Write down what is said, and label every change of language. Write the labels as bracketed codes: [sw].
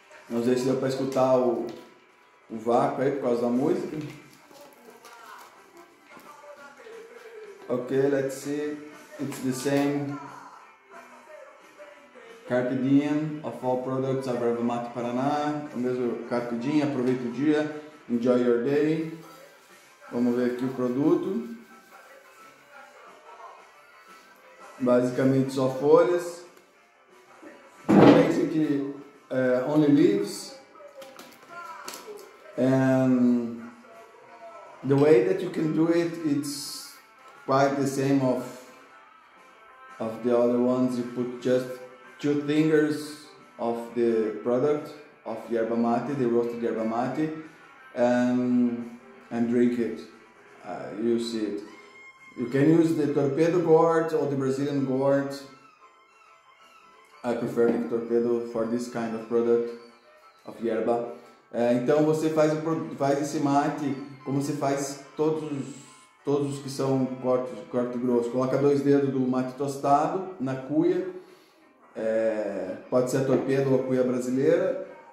[pt] Não sei se deu para escutar o vácuo aí por causa da música. [en] Ok, let's see. It's the same Carpe Diem of all products of Yerba Mate Paraná. [pt] O mesmo Carpe Diem, aproveita o dia, [en] enjoy your day. [pt] Vamos ver aqui o produto. Basicamente só folhas. Pense que [en] only leaves. And the way that you can do it, it's quite the same of the other ones. You put just 2 fingers of the product of yerba mate, the roasted yerba mate, and drink it. You see it. You can use the torpedo gourd or the Brazilian gourd. I prefer the torpedo for this kind of product of yerba. [pt] Então você faz esse mate como você faz todos os que são corte grosso. Coloca 2 dedos do mate tostado na cuia. Pode ser a torpedo ou a cuia brasileira.